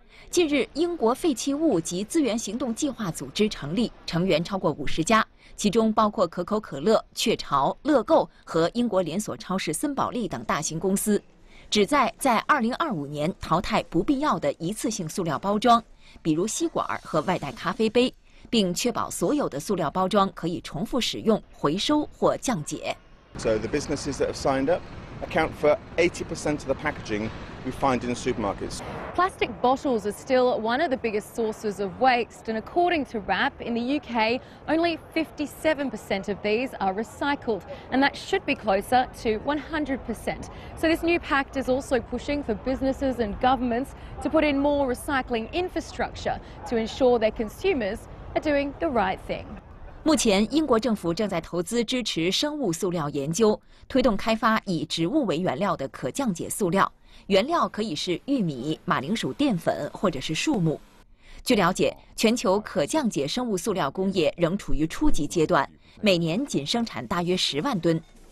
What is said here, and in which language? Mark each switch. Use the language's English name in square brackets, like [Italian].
[Chinese] 近日，英国废弃物及资源行动计划组织成立，成员超过50家，其中包括可口可乐、雀巢、乐购和英国连锁超市森宝利等大型公司，旨在2025年淘汰不必要的一次性塑料包装，比如吸管和外带咖啡杯，并确保所有的塑料包装可以重复使用、回收或降解。 [English] So the businesses that have signed up account for 80% of the packaging we find in supermarkets. Plastic bottles are still one of the biggest sources of waste, and according to RAP in the UK, only 57% of these are recycled, and that should be closer to 100%. So this new pact is also pushing for businesses and governments to put in more recycling infrastructure to ensure their consumers. Doing the right thing. [Chinese] 目前，英国政府正在投资支持生物塑料研究，推动开发以植物为原料的可降解塑料。原料可以是玉米、马铃薯淀粉或者是树木。据了解，全球可降解生物塑料工业仍处于初级阶段，每年仅生产大约10万吨。